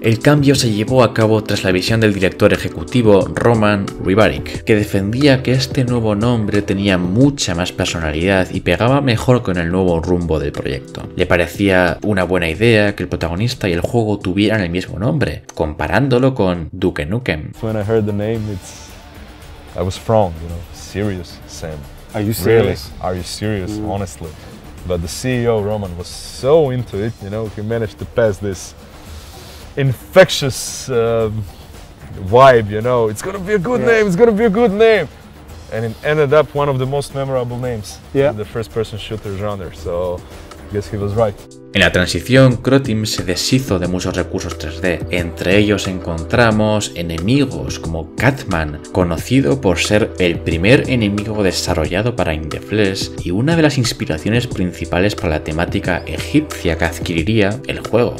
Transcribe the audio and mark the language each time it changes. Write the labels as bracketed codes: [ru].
[es] El cambio se llevó a cabo tras la visión del director ejecutivo Roman Rybarik, que defendía que este nuevo nombre tenía mucha más personalidad y pegaba mejor con el nuevo rumbo del proyecto. Le parecía una buena idea que el protagonista y el juego tuvieran el mismo nombre, comparándolo con Duke Nukem. [en] When I heard the name, it's I was wrong, you know, Serious Sam. Are you serious? Really? Are you serious? Mm. Honestly. But the CEO Roman was so into it, you know, he managed to pass this infectious vibe, you know, it's gonna be a good yeah. name, it's gonna be a good name. And it ended up one of the most memorable names yeah. in the first person shooter genre. So guess he was right. [es] En la transición, Croteam se deshizo de muchos recursos 3D. Entre ellos encontramos enemigos como Catman, conocido por ser el primer enemigo desarrollado para In the Flesh y una de las inspiraciones principales para la temática egipcia que adquiriría el juego.